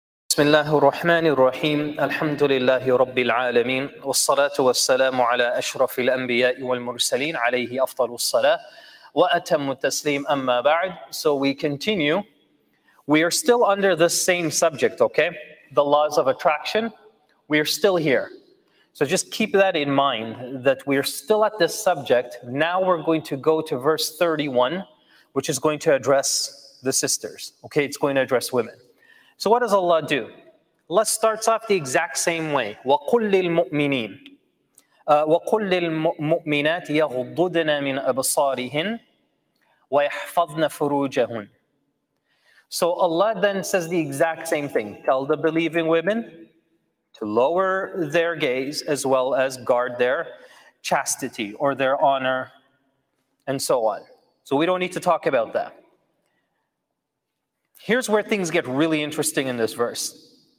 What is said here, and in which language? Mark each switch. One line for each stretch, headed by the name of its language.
Arabic: بسم الله الرحمن الرحيم الحمد لله رب العالمين والصلاة والسلام على أشرف الأنبياء والمرسلين عليه أفضل الصلاة وأتم التسليم أما بعد.
English: So we continue. We are still under the same subject, okay? The laws of attraction. We are still here. So just keep that in mind that we are still at this subject. Now we're going to go to verse 31, which is going to address the sisters, okay? It's going to address women. So what does Allah do? Allah starts off the exact same way.
Arabic: وَقُلْ لِلْمُؤْمِنِينَ وَقُلْ لِلْمُؤْمِنَاتِ يَغْضُدْنَ مِنْ أَبْصَارِهِنَّ وَيَحْفَظْنَ فُرُوجَهُنَّ.
English: So Allah then says the exact same thing. Tell the believing women to lower their gaze as well as guard their chastity or their honor and so on. So we don't need to talk about that. Here's where things get really interesting in this verse.